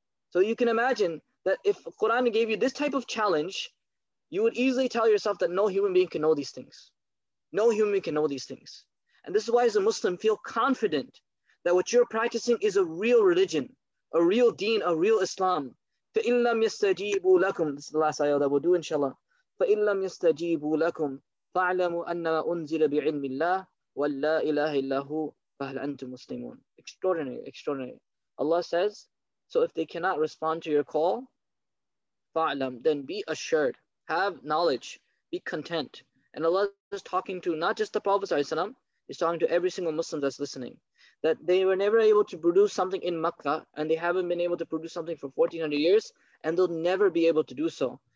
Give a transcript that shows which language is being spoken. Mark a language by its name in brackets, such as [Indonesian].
[English] So you can imagine that if Quran gave you this type of challenge, you would easily tell yourself that no human being can know these things. No human being can know these things. And this is why as a Muslim, feel confident that what you're practicing is a real religion, a real deen, a real Islam. [Arabic] فَإِنْ لَمْ يَسْتَجِيبُوا لَكُمْ [English] This is the last ayah that we'll do, inshallah. [Arabic] فَإِنْ لَمْ يَسْتَجِيبُوا لَكُمْ فَاعْلَمُوا أَنَّمَا أُنزِلَ بِعِلْمِ اللَّهِ وَاللَّا إِلَهِ إِلَّهُ فَهَلْ أَنْتُمْ مُسْلِمُونَ [English] Extraordinary, extraordinary. Allah says, so if they cannot respond to your call, fa'lam, then be assured, have knowledge, be content. And Allah is talking to not just the Prophet sallallahu alaihi wasallam, he's talking to every single Muslim that's listening, that they were never able to produce something in Makkah and they haven't been able to produce something for 1400 years and they'll never be able to do so.